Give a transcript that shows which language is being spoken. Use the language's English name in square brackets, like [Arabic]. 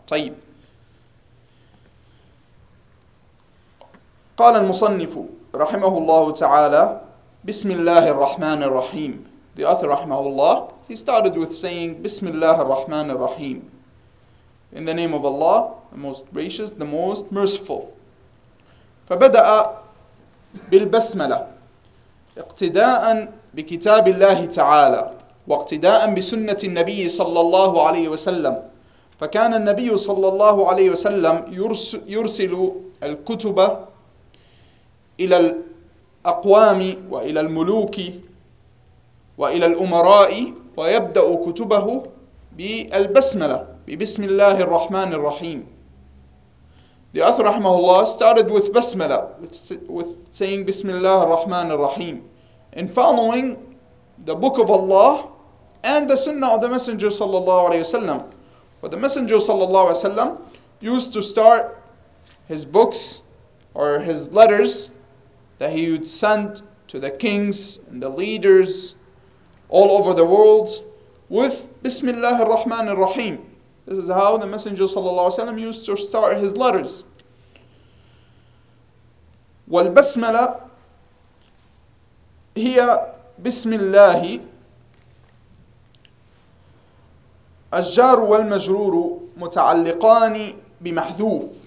[Arabic] طيب, قال المصنف رحمه الله تعالى بسم الله الرحمن الرحيم. [English] The author رحمه الله, he started with saying [Arabic] بسم الله الرحمن الرحيم. [English] In the name of Allah, the most gracious, the most merciful. [Arabic] فبدأ بالبسملة اقتداء بكتاب الله تعالى واقتداء بسنة النبي صلى الله عليه وسلم. فكان النبي صلى الله عليه وسلم يرسل الكتب إلى الأقوام وإلى الملوك وإلى الأمراء ويبدأ كتبه بالبسملة, ببسم الله الرحمن الرحيم. [English] The author رحمه الله started with بسملة, with saying [Arabic] بسم الله الرحمن الرحيم, [English] in following the book of Allah and the sunnah of the Messenger صلى الله عليه وسلم. But the Messenger صلى الله عليه وسلم used to start his books or his letters that he would send to the kings and the leaders all over the world with Bismillah ar-Rahman ar-Rahim. This is how the Messenger sallallahu alaihi wasallam used to start his letters. [Arabic] والبسملة هي بسم الله الجار والمجرور متعلقان بمحذوف.